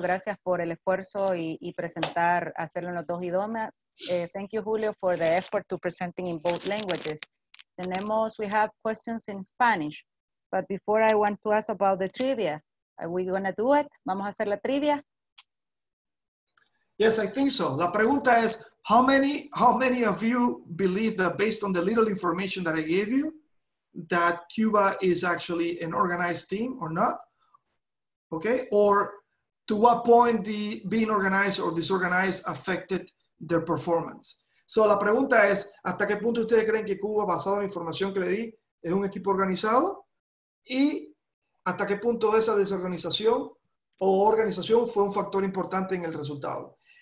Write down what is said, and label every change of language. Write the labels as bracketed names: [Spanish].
[Spanish] Gracias por el esfuerzo y presentar, hacerlo en los dos idiomas. [English] Thank you, Julio, for the effort to presenting in both languages. We have questions in Spanish, but before I want to ask about the trivia, are we going to do it? [Spanish] ¿Vamos a hacer la trivia? [English] Yes, I think so. [Spanish] La pregunta es, [English] how many of you believe that based on the little information that I gave you, that Cuba is actually an organized team or not? Okay, or to what point the being organized or disorganized affected their performance? [Spanish] So la pregunta es, ¿hasta qué punto ustedes creen que Cuba, basado en la información que le di, es un equipo organizado? ¿Y hasta qué punto esa desorganización o organización fue un factor importante en el resultado?